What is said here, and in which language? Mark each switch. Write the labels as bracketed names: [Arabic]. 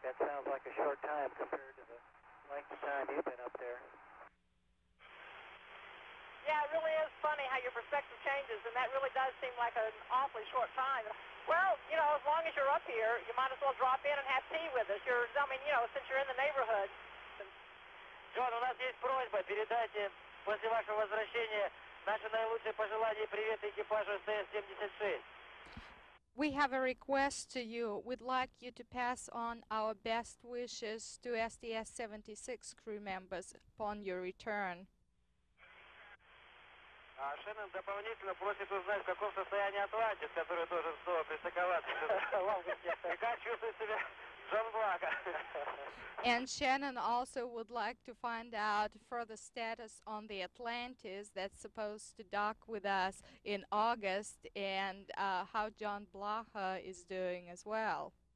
[English] That sounds like a short time compared to the length of time you've been up there. Yeah, it really is funny how your perspective changes, and that really does seem like an awfully short time. Well, you know, as long as you're up here, you might as well drop in and have tea with us. Since you're in the neighborhood. [Russian] John, у нас есть просьба, передайте после вашего возвращения наши наилучшие пожелания и привет экипажу STS-76. [English] We have a request to you. We'd like you to pass on our best wishes to STS-76 crew members upon your return. [Russian] Шеннон дополнительно просит узнать, в каком состоянии Атлантис, который тоже снова пристыковаться. И как чувствует себя Джон Блака. [English] And Shannon also would like to find out further status on the Atlantis that's supposed to dock with us in August, and how John Blaha is doing as well.